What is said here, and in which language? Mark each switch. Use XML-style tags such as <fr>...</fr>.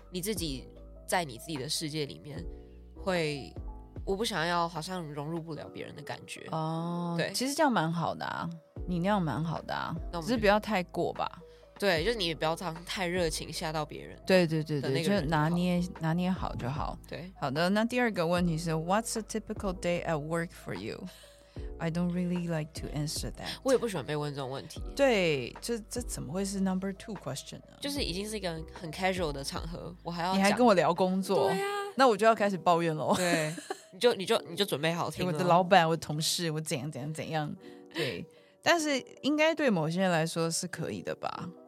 <zh>你自己在你自己的世界里面会，我不想要好像融入不了别人的感觉。哦，对，其实这样蛮好的啊，你那样蛮好的啊，只是不要太过吧。对，就是你不要这样太热情吓到别人。对对对对，就拿捏好就好。对，好的。那第二个问题是</zh> <en>What's a typical day at work for you? I don't really like to answer that.</en> <zh>我也不喜欢被问这种问题。对，这怎么会是</zh> <en>number two question</en> <zh>呢？就是已经是一个很 casual 的场合，我还要你还跟我聊工作？对啊，那我就要开始抱怨了。对，你就准备好听了。我的老板，我的同事，我怎样怎样怎样？对。但是应该对某些人来说是可以的吧，</zh>